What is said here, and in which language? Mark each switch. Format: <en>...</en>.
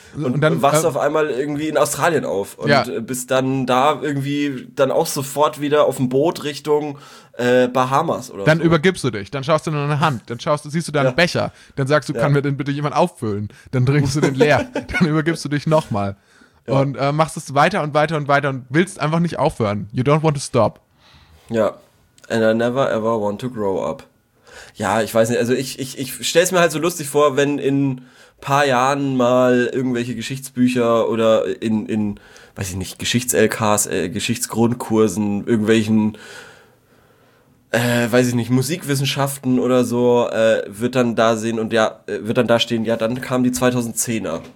<de>Und dann wachst du auf einmal irgendwie in Australien auf und bist dann da irgendwie dann auch sofort wieder auf dem Boot Richtung Bahamas oder dann so. Übergibst du dich, dann schaust du in deine Hand, dann siehst du deinen Becher, dann sagst du, kann mir den bitte jemand auffüllen, dann trinkst du den leer, dann übergibst du dich nochmal und machst es weiter und weiter und weiter und willst einfach nicht aufhören.</de> <en>You don't want to stop. Ja, and I never ever want to grow up.</en> <de>Ja, ich weiß nicht, also ich stelle es mir halt so lustig vor, wenn in ein paar Jahren mal irgendwelche Geschichtsbücher oder in weiß ich nicht, Geschichts-LKs, Geschichtsgrundkursen, irgendwelchen, weiß ich nicht, Musikwissenschaften oder so, wird dann da stehen, ja, dann kamen die 2010er.</de>